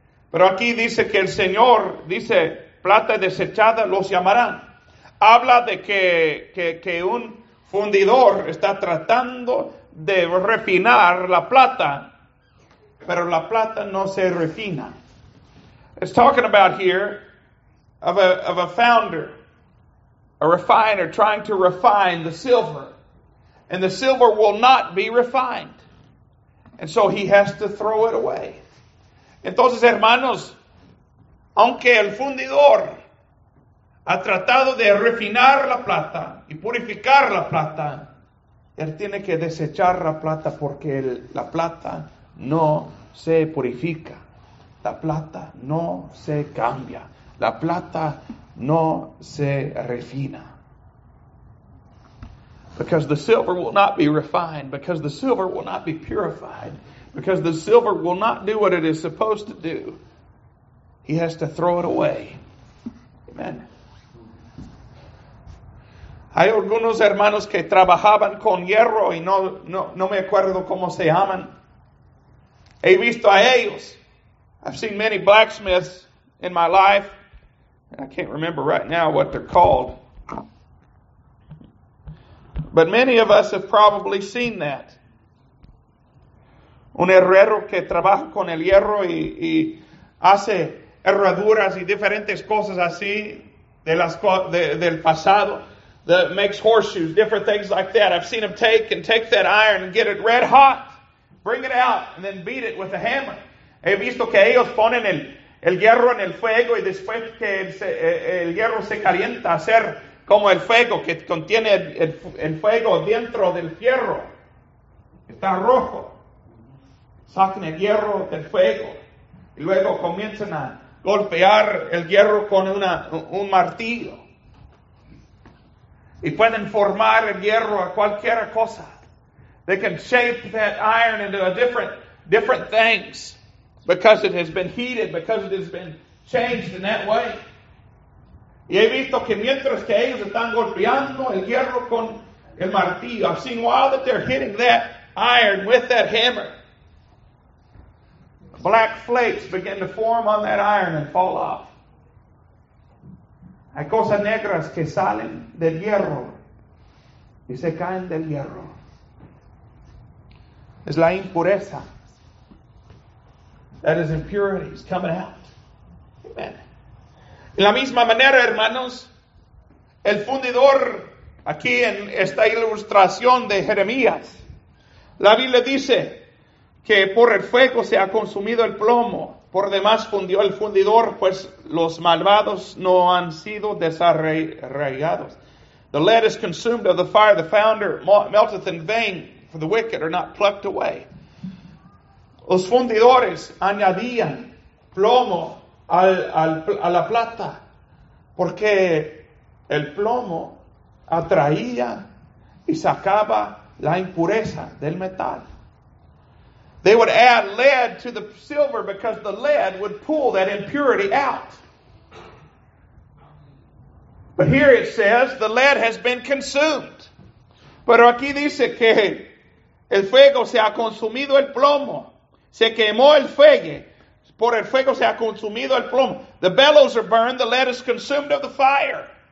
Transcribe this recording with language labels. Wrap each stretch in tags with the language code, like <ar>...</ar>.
<es>Pero aquí dice que el Señor dice, plata desechada los llamarán. Habla de que un fundidor está tratando de refinar la plata, pero la plata no se refina.</es> <en>It's talking about here of a founder, a refiner trying to refine the silver, and the silver will not be refined, and so he has to throw it away.</en> <es>Entonces, hermanos, aunque el fundidor ha tratado de refinar la plata y purificar la plata, él tiene que desechar la plata porque la plata no se purifica. La plata no se cambia. La plata no se refina.</es> <en>Because the silver will not be refined. Because the silver will not be purified. Because the silver will not do what it is supposed to do. He has to throw it away. Amen.</en> <es>Hay algunos hermanos que trabajaban con hierro y no me acuerdo cómo se llaman. He visto a ellos.</es> <en>I've seen many blacksmiths in my life. I can't remember right now what they're called. But many of us have probably seen that.</en> <es>Un herrero que trabaja con el hierro y hace herraduras y diferentes cosas así del pasado.</es> <en>That makes horseshoes, different things like that. I've seen him take that iron and get it red hot, bring it out, and then beat it with a hammer.</en> <es>He visto que ellos ponen el hierro en el fuego y después que el hierro se calienta, hacer como el fuego que contiene el fuego dentro del hierro. Está rojo. Sacan el hierro del fuego y luego comienzan a golpear el hierro con un martillo. Y pueden formar el hierro a cualquier cosa.</es> <en>They can shape that iron into a different things because it has been heated, because it has been changed in that way.</en> <es>Y he visto que mientras que ellos están golpeando el hierro con el martillo,</es> <en>I've seen while that they're hitting that iron with that hammer, black flakes begin to form on that iron and fall off.</en> <es>Hay cosas negras que salen del hierro y se caen del hierro. Es la impureza.</es> <en>That is impurities coming out. Amen.</en> <es>En la misma manera, hermanos, el fundidor aquí en esta ilustración de Jeremías, la Biblia dice que por el fuego se ha consumido el plomo, por demás fundió el fundidor, pues los malvados no han sido desarraigados.</es> <en>The lead is consumed of the fire, the founder melteth in vain, for the wicked are not plucked away.</en> <es>Los fundidores añadían plomo a la plata, porque el plomo atraía y sacaba la impureza del metal.</es> <en>They would add lead to the silver because the lead would pull that impurity out. But here it says the lead has been consumed.</en> <es>Pero aquí dice que el fuego se ha consumido el plomo. Se quemó el fuego. Por el fuego se ha consumido el plomo.</es> <en>The bellows are burned. The lead is consumed of the fire.</en>